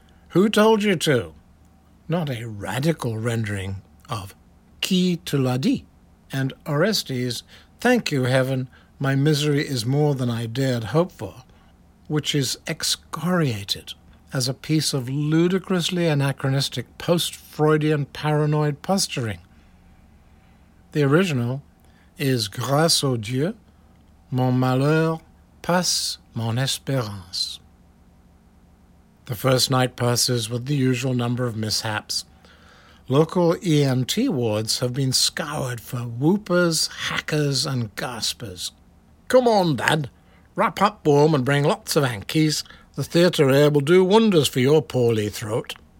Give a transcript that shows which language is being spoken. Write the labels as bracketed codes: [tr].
[en] Who told you to? Not a radical rendering of [fr] qui te l'a dit? [en] And Orestes, thank you, heaven, my misery is more than I dared hope for, which is excoriated as a piece of ludicrously anachronistic post-Freudian paranoid posturing. The original is [fr] grâce au Dieu, mon malheur passe mon espérance. [en] The first night passes with the usual number of mishaps. Local EMT wards have been scoured for whoopers, hackers, and gaspers. Come on, Dad. Wrap up warm and bring lots of hankies. The theatre air will do wonders for your poorly throat.